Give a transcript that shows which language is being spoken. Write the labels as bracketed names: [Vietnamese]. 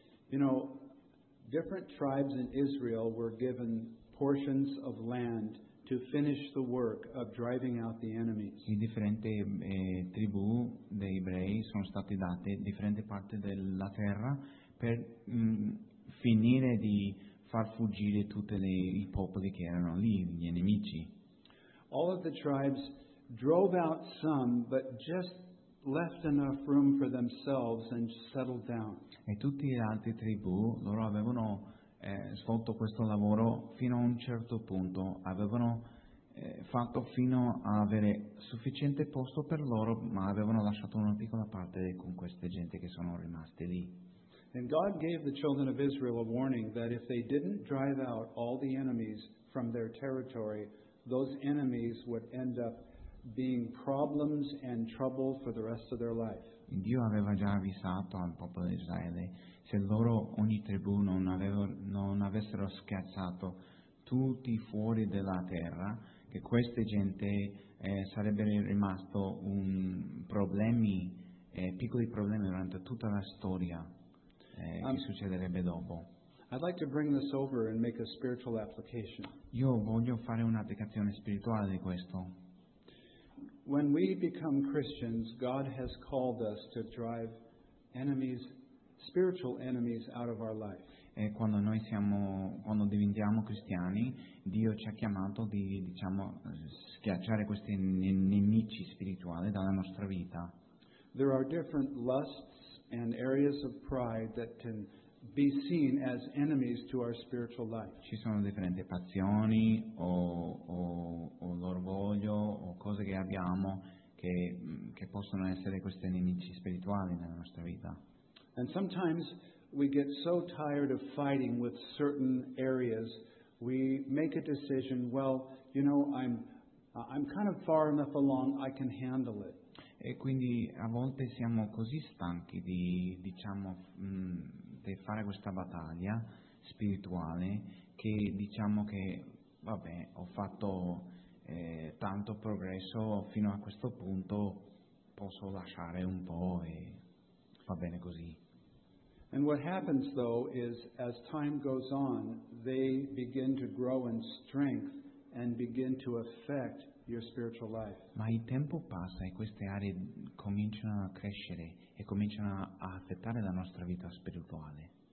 [English] You know, different tribes in Israel were given portions of land to finish the work of driving out the enemies. [Italian] I differenti tribù dei ebrei sono state date differenti parti della terra per finire di far fuggire tutti I popoli che erano lì, gli nemici. [English] All of the tribes drove out some, but just left enough room for themselves and settled down. [Italian] E tutti gli altri tribù, loro avevano svolto questo lavoro fino a un certo punto, avevano fatto fino a avere sufficiente posto per loro, ma avevano lasciato una piccola parte con queste gente che sono rimaste lì. [English] And God gave the children of Israel a warning that if they didn't drive out all the enemies from their territory, those enemies would end up being problems and trouble for the rest of their life. [Italian] Dio aveva già avvisato al popolo di Israele, se loro ogni tribù non avessero scherzato tutti fuori della terra, che queste gente sarebbero rimasto un problemi, piccoli problemi durante tutta la storia che succederebbe dopo. [English] I'd like to bring this over and make a spiritual application. [Italian] Io voglio fare un'applicazione spirituale di questo. [English] When we become Christians, God has called us to drive enemies, spiritual enemies, out of our life. [Italian] E quando noi siamo, quando diventiamo cristiani, Dio ci ha chiamato di, diciamo, schiacciare questi nemici spirituali dalla nostra vita. [English] There are different lusts and areas of pride that can be seen as enemies to our spiritual life. [Italian] Ci sono differenti passioni o l'orgoglio o cose che abbiamo che possono essere questi nemici spirituali nella nostra vita. [English] And sometimes we get so tired of fighting with certain areas, we make a decision, well, you know, I'm kind of far enough along, I can handle it. [Italian] E quindi a volte siamo così stanchi di, diciamo, di fare questa battaglia spirituale, che diciamo che vabbè, ho fatto tanto progresso fino a questo punto, posso lasciare un po' e va bene così. [English] And what happens though is as time goes on, they begin to grow in strength and begin to affect your spiritual life. [Italian] Ma il tempo passa e queste aree cominciano a crescere e cominciano a affettare la nostra vita spirituale.